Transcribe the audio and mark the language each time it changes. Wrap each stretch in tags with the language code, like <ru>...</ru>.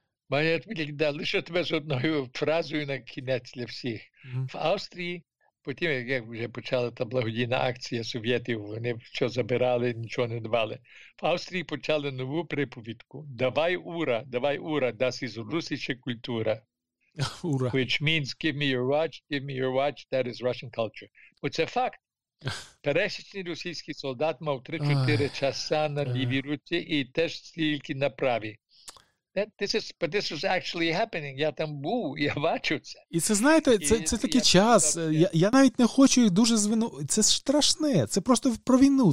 <uk>Маю відповідь, да, лише тебе з одною фразою на кінець для всіх. В Австрії, потім, як вже почала та благодійна акція совєтів, вони що забирали, нічого не давали. В Австрії почали нову приповідку. Давай ура,</uk> <de>das ist russische</de> <uk>культура. Ура.</uk> <en>Which means give me your watch, that is Russian culture.</en> <uk>Оце факт. Пересічний російський солдат мав 3-4 часа на лівій руці і теж стільки на правій.</uk> <en>But this was actually happening.</en> <uk>Я там був, я бачу це. І це, знаєте, це такий час. Я навіть не хочу їх дуже звинувати. Це страшне. Це просто про війну.</uk>